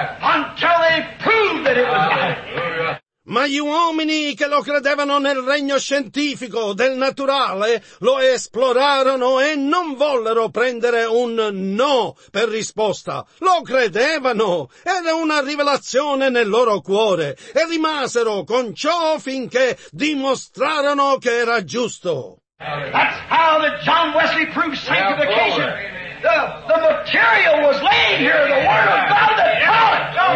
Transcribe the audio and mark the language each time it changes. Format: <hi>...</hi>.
<en>Until they proved that it was right.</en> <it>Ma gli uomini che lo credevano nel regno scientifico del naturale lo esplorarono e non vollero prendere un no per risposta. Lo credevano, era una rivelazione nel loro cuore e rimasero con ciò finché dimostrarono che era giusto.</it> <en>That's how the John Wesley proved sanctification. The material was laying here, the Word of God that taught it.</en>